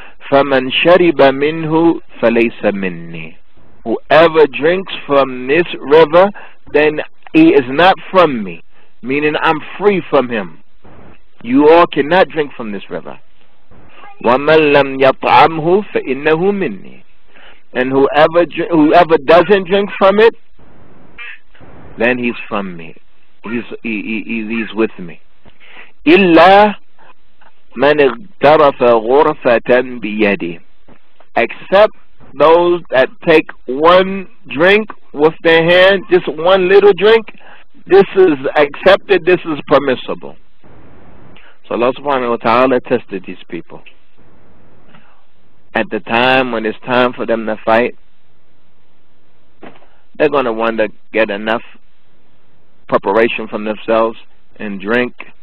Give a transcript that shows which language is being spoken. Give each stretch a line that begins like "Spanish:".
Arabic: فَمَنْ شَرِبَ مِنْهُ فَلَيْسَ مِنِّي,
English: whoever drinks from this river, then he is not from me, meaning I'm free from him. You all cannot drink from this river.
Arabic: وَمَنْ لَمْ يَطْعَمْهُ فَإِنَّهُ مِنِّي,
English: and whoever doesn't drink from it, then he's from me, he's with me.
Arabic: إِلَّا مَنِ اغْتَرَفَ غُرْفَةً بِيَدِهِ,
English: except those that take one drink with their hand, just one little drink, this is accepted, this is permissible. So Allah subhanahu wa ta'ala tested these people. At the time when it's time for them to fight, they're going to want to get enough preparation from themselves and drink.